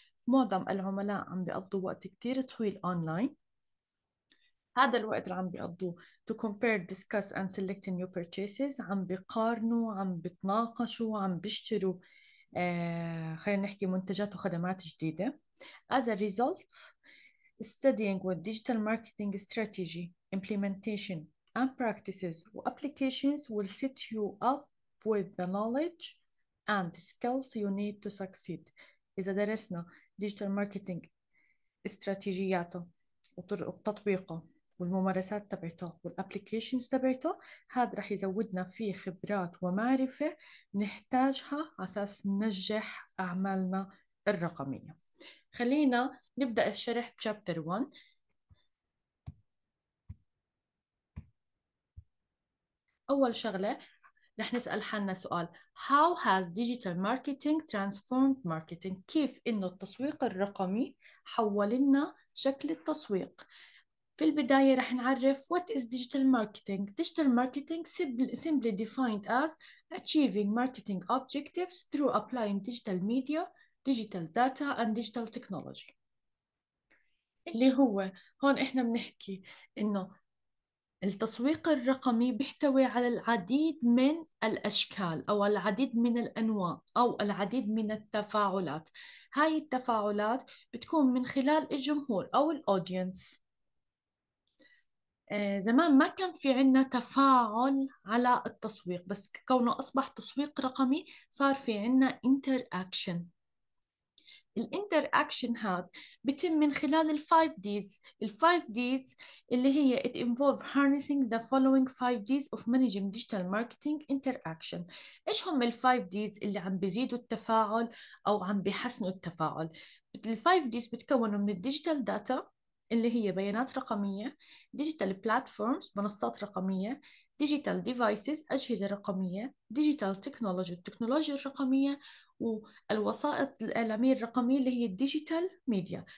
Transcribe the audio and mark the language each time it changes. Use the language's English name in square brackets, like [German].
[Arabic] معظم العملاء عم بيقضوا وقت كتير طويل online. هذا الوقت اللي عم بيقضوه [English] to compare, discuss and select new purchases، [Arabic] عم بيقارنوا، عم بيتناقشوا، عم بيشتروا خلينا نحكي منتجات وخدمات جديدة. [English] As a result, studying with digital marketing strategy, implementation and practices و applications will set you up with the knowledge and skills you need to succeed. [Arabic] إذا درسنا digital marketing استراتيجياته وطرق تطبيقه والممارسات تبعته والابليكيشنز تبعته، هذا رح يزودنا في خبرات ومعرفة نحتاجها عساس ننجح أعمالنا الرقمية. خلينا نبدأ الشرح تشابتر 1. أول شغلة رح نسأل حالنا سؤال: [English] How has digital marketing transformed marketing؟ [Arabic] كيف إنه التسويق الرقمي حول لنا شكل التسويق؟ في البداية رح نعرف [English] what is digital marketing. Digital marketing simply defined as achieving marketing objectives through applying digital media, digital data and digital technology. [Arabic] اللي هو هون احنا بنحكي انه التسويق الرقمي بيحتوي على العديد من الأشكال أو العديد من الأنواع أو العديد من التفاعلات. هاي التفاعلات بتكون من خلال الجمهور أو الأودينس. زمان ما كان في عنا تفاعل على التسويق، بس كونه أصبح تسويق رقمي صار في عنا انتر اكشن. الانتر اكشن هذا بتم من خلال الفايف ديز. الفايف ديز اللي هي [English] it involve harnessing the following five Ds of managing digital marketing interaction. [Arabic] ايش هم الفايف ديز اللي عم بيزيدوا التفاعل او عم بيحسنوا التفاعل؟ الفايف ديز بتكونوا من الديجيتال داتا اللي هي بيانات رقمية، ديجيتال بلاتفورمز منصات رقمية، ديجيتال ديفايسز أجهزة رقمية، ديجيتال تكنولوجي التكنولوجيا الرقمية، والوسائط الإعلامية الرقمية اللي هي الديجيتال ميديا.